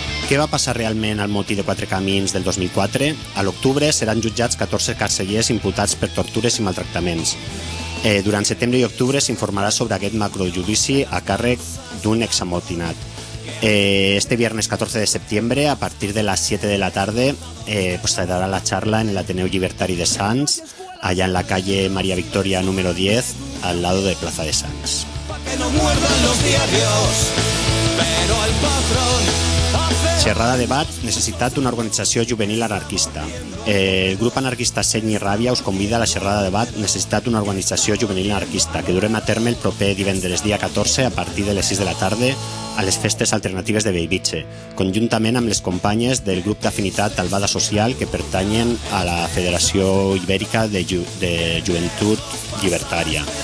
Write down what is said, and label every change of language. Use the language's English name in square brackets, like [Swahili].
[Catalan] ¿Què va passar realment al motí de Quatre Camins del 2004? A l'octubre seran jutjats 14 carcellers imputats per tortures i maltractaments. Durant setembre i octubre s'informarà sobre aquest macrojudici a càrrec d'un examotinat. [Spanish] Este viernes 14 de septiembre, a partir de las 7 de la tarde, pues se dará la charla en el Ateneu Llibertari de Sants, allá en la calle María Victoria número 10, al lado de Plaza de Sants. [Catalan] Xerrada de bat, necessitat d'una organització juvenil anarquista. El grup anarquista Seny i Ràbia us convida a la xerrada de bat, necessitat d'una organització juvenil anarquista, que durem a terme el proper divendres dia 14 a partir de les 6 de la tarda a les festes alternatives de Bellvitge, conjuntament amb les companyes del grup d'afinitat Talvada Social que pertanyen a la Federació Ibèrica de Joventut Llibertària.